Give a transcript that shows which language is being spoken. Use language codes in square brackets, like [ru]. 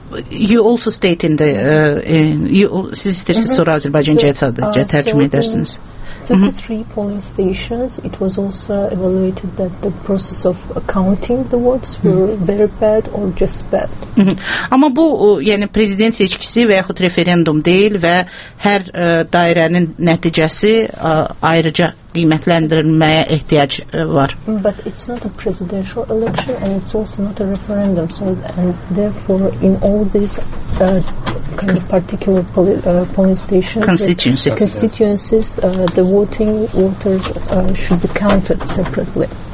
[en] You also state in the [az] siz istəyirsiniz sonra Azərbaycancaya sadəcə tərcümə edərsiniz. [en] So the three polling stations, it was also evaluated that the process of counting the votes were very bad or just bad. [az] Amma bu, yəni prezident seçkisi və yaxud referendum deyil və hər dairənin nəticəsi ayrıca qiymətləndirilməyə ehtiyac var. [en] But it's not a presidential election and it's also not a referendum. So and therefore in all these kind of particular polling stations, constituencies, the voting voters should be counted separately.